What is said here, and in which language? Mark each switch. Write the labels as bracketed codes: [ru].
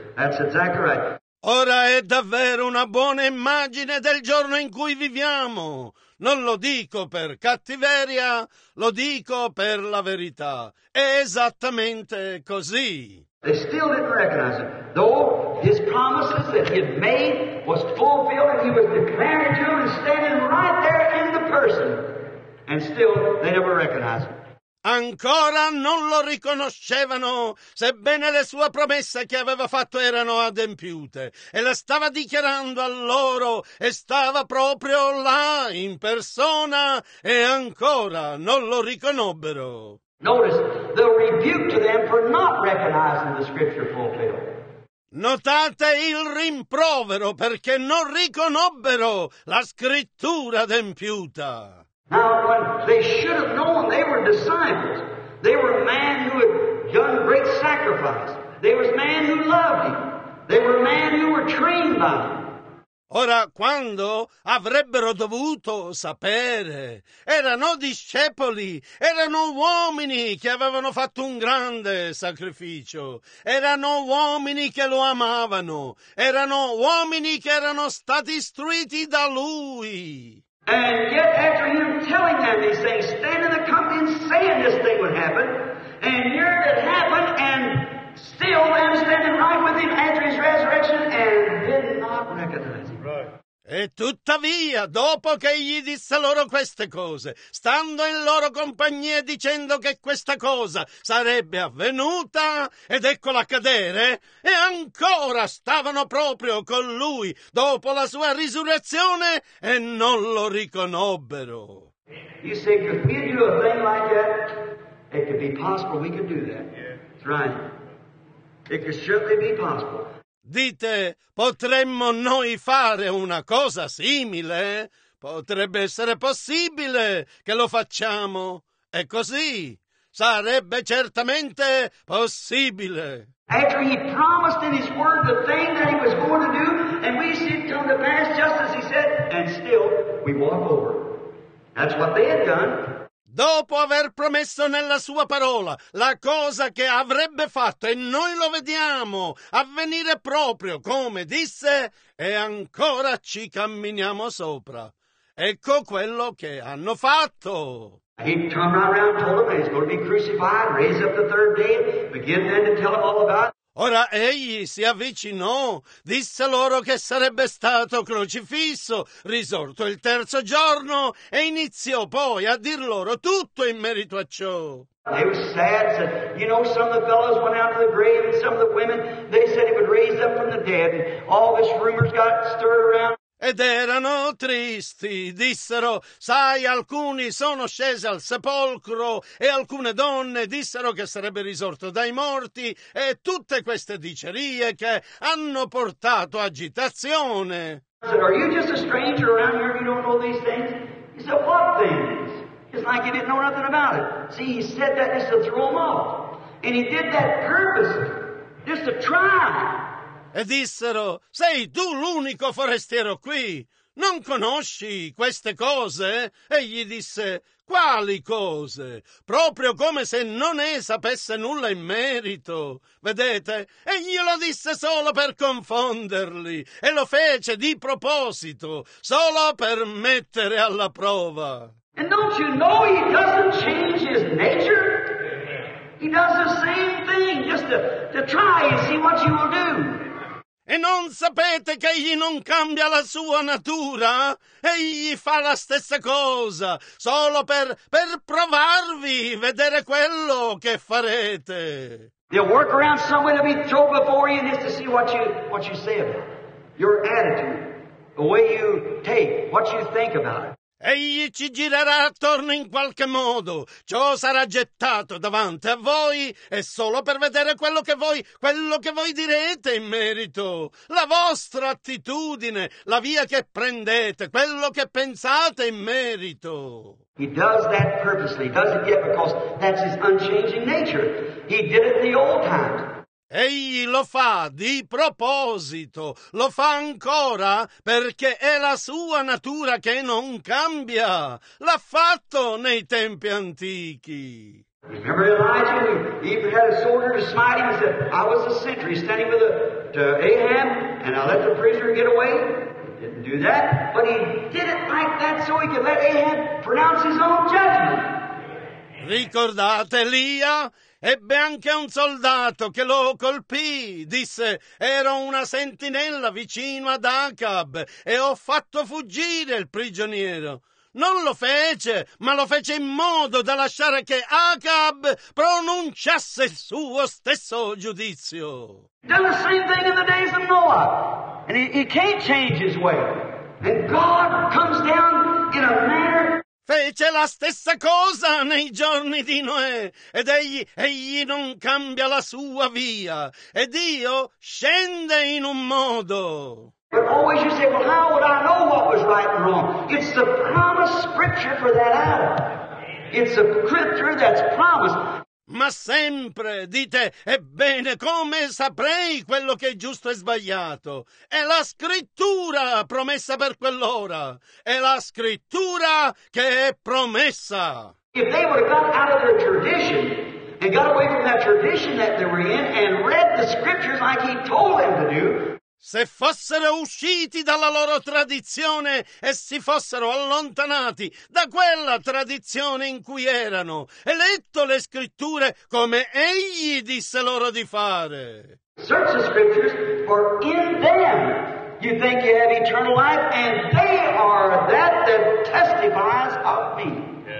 [en] That's exactly right. [it] Ora è davvero una buona immagine del giorno in cui viviamo. Non lo dico per cattiveria, lo dico per la verità. È esattamente così. [en] They still didn't recognize him, though his promises that he had made was fulfilled, and he was declaring to them and standing right there in the person. And still, they never recognized him. [it] Ancora non lo riconoscevano, sebbene le sue promesse che aveva fatto erano adempiute, e la stava dichiarando a loro, e stava proprio là, in persona, e ancora non lo riconobbero. [en] Notice the rebuke to them for not recognizing the scripture fulfilled. [it] Notate il rimprovero perché non riconobbero la scrittura adempiuta. [en] Now, when they should have known, they were disciples. They were a man who had done great sacrifice. They were a man who loved him. They were a man who were trained by him. [it] Ora, quando avrebbero dovuto sapere? Erano discepoli, erano uomini che avevano fatto un grande sacrificio, erano uomini che lo amavano, erano uomini che erano stati istruiti da lui. [en] And yet after him telling them these things, standing in the company and saying this thing would happen, and here it happened, and still them standing right with him after his resurrection and did not recognize him. [it] E tuttavia, dopo che egli disse loro queste cose, stando in loro compagnia dicendo che questa cosa sarebbe avvenuta, ed eccola accadere, e ancora stavano proprio con lui dopo la sua risurrezione e non lo riconobbero. [en] You say, could we do a thing like that? It could be possible we could do that. Right. It could certainly be possible. [it] Dite, potremmo noi fare una cosa simile? Potrebbe essere possibile che lo facciamo. È così. Sarebbe certamente possibile. [en] After he promised in his word the thing that he was going to do, and we see it come to pass just as he said, and still we walk over. That's what they had done. [it] Dopo aver promesso nella sua parola la cosa che avrebbe fatto, e noi lo vediamo avvenire proprio come disse, e ancora ci camminiamo sopra. Ecco quello che hanno fatto. [en] He turned around, told them he's going to be crucified, raised up the third day, begin then to tell them all about it. [it] Ora egli si avvicinò, disse loro che sarebbe stato crocifisso, risorto il terzo giorno, e iniziò poi a dir loro tutto in merito a ciò. [en] They were sad, said, you know, some of the fellows went out to the grave, and some of the women, they said it would raise up from the dead, and all this rumors got stirred around. [it] Ed erano tristi, dissero, sai, alcuni sono scesi al sepolcro e alcune donne dissero che sarebbe risorto dai morti e tutte queste dicerie che hanno portato agitazione. [en] He said, are you just a stranger around here if you don't know these things? He said, what things? It's like you didn't know nothing about it. See, he said that just to throw them off. And he did that purposely, just to try. [it] E dissero, sei tu l'unico forestiero qui? Non conosci queste cose? E gli disse, quali cose? Proprio come se non ne sapesse nulla in merito. Vedete? E glielo disse solo per confonderli. E lo fece di proposito, solo per mettere alla prova. [en] And don't you know he doesn't change his nature? He does the same thing, just to try and see what you will do. [it] E non sapete che egli non cambia la sua natura? Egli fa la stessa cosa, solo per provarvi, vedere quello che farete. [en] They'll work around some way to be thrown before you just to see what you say about it. Your attitude, the way you take, what you think about it. [it] Egli ci girerà attorno in qualche modo. Ciò sarà gettato davanti a voi e solo per vedere quello che voi direte in merito. La vostra attitudine, la via che prendete, quello che pensate in merito. [en] He does that purposely. He does it yet because that's his unchanging nature. He did it the old times. [it] Egli lo fa di proposito, lo fa ancora perché è la sua natura che non cambia. L'ha fatto nei tempi antichi. [en] Remember Elijah? He even had a soldier smite him and said, I was a sentry standing with to Ahab and I let the prisoner get away. He didn't do that, but he did it like that so he could let Ahab pronounce his own judgment. [it] Ricordate Elia? Ebbe anche un soldato che lo colpì, disse, ero una sentinella vicino ad Acab e ho fatto fuggire il prigioniero. Non lo fece, ma lo fece in modo da lasciare che Acab pronunciasse il suo stesso giudizio. [en] Done the same thing in the days of Noah, and he can't change his way. And God comes down in a manner. [it] Fece la stessa cosa nei giorni di Noè, ed egli non cambia la sua via, e Dio scende in un modo. [en] But always you say, well, how would I know what was right and wrong? It's the promised scripture for that hour. It's a scripture that's promised. [it] Ma sempre dite, ebbene, come saprei quello che è giusto e sbagliato? È la scrittura promessa per quell'ora. È la scrittura che è promessa. [en] If they would have got out of their tradition and got away from that tradition that they were in and read the scriptures like he told them to do. [it] Se fossero usciti dalla loro tradizione e si fossero allontanati da quella tradizione in cui erano e letto le scritture come egli disse loro di fare. [en] Search the scriptures, for in them You think you have eternal life, and they are that that testifies of me.